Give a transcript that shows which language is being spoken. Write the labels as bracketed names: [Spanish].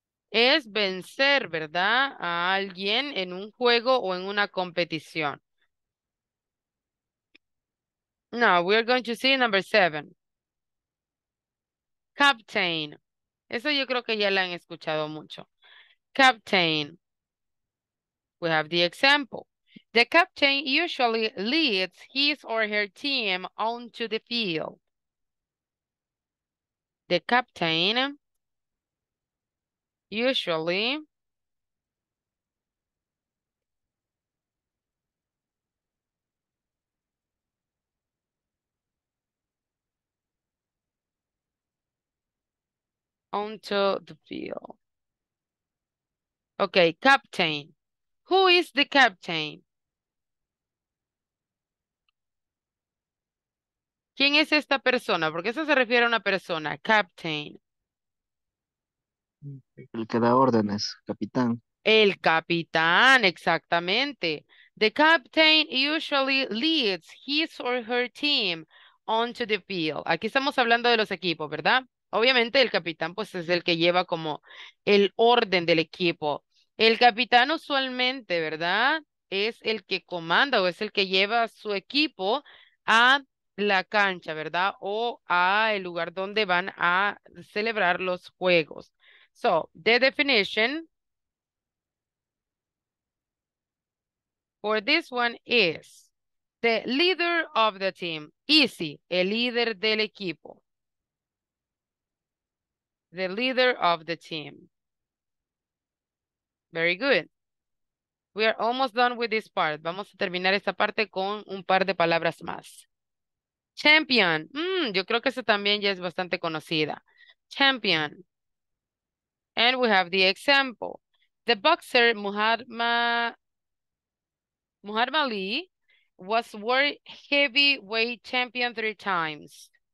[Spanish] Es vencer, ¿verdad?, a alguien en un juego o en una competición. [English] Now, we are going to see number seven. Captain. [Spanish] Eso yo creo que ya la han escuchado mucho. [English] Captain. We have the example. The captain usually leads his or her team onto the field. The captain usually onto the field. Okay, captain. Who is the captain? [Spanish] ¿Quién es esta persona? Porque eso se refiere a una persona. Captain. El que da órdenes, capitán. El capitán, exactamente. [English] The captain usually leads his or her team onto the field. [Spanish] Aquí estamos hablando de los equipos, ¿verdad? Obviamente el capitán pues es el que lleva como el orden del equipo. El capitán usualmente, ¿verdad? Es el que comanda o es el que lleva su equipo a la cancha, ¿verdad? O a el lugar donde van a celebrar los juegos. [English] So, the definition for this one is the leader of the team. [Spanish] Easy, el líder del equipo. [English] The leader of the team. Very good. We are almost done with this part. [Spanish] Vamos a terminar esta parte con un par de palabras más. Champion. Yo creo que eso también ya es bastante conocida. [English] Champion. And we have the example. The boxer Muhammad Ali was world heavyweight champion 3 times.